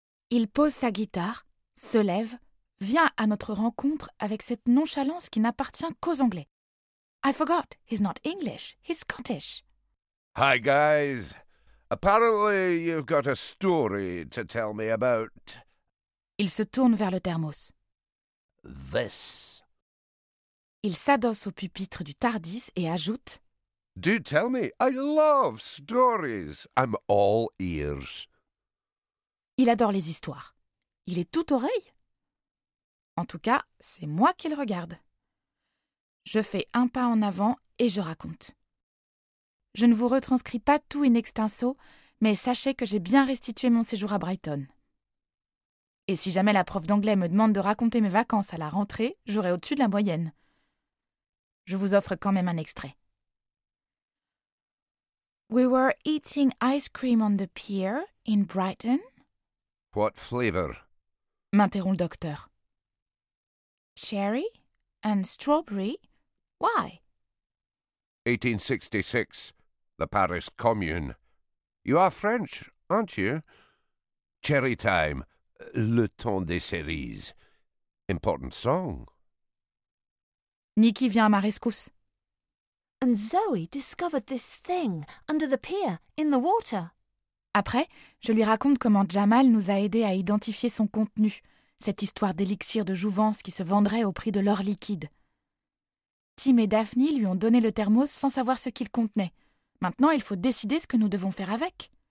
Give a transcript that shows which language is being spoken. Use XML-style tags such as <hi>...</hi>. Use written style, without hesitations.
<fr>Il pose sa guitare, se lève, vient à notre rencontre avec cette nonchalance qui n'appartient qu'aux Anglais.</fr> <en>I forgot, he's not English, he's Scottish. Hi, guys. Apparently, you've got a story to tell me about.</en> <fr>Il se tourne vers le thermos.</fr> <en>This.</en> <fr>Il s'adosse au pupitre du TARDIS et ajoute.</fr> <en>Do tell me, I love stories. I'm all ears.</en> <fr>Il adore les histoires. Il est tout oreille. En tout cas, c'est moi qui le regarde. Je fais un pas en avant et je raconte. Je ne vous retranscris pas tout in extenso, mais sachez que j'ai bien restitué mon séjour à Brighton. Et si jamais la prof d'anglais me demande de raconter mes vacances à la rentrée, j'aurai au-dessus de la moyenne. Je vous offre quand même un extrait.</fr> <en>We were eating ice cream on the pier in Brighton. What flavor?</en> <fr>M'interrompt le docteur.</fr> <en>Cherry and strawberry. Why? 1866, the Paris Commune. You are French, aren't you? Cherry time,</en> <fr>le temps des cerises.</fr> <en>Important song.</en> <fr>Nikki vient à ma rescousse.</fr> <en>And Zoe discovered this thing under the pier, in the water.</en> <fr>Après, je lui raconte comment Jamal nous a aidés à identifier son contenu, cette histoire d'élixir de jouvence qui se vendrait au prix de l'or liquide. Tim et Daphne lui ont donné le thermos sans savoir ce qu'il contenait. Maintenant, il faut décider ce que nous devons faire avec.</fr>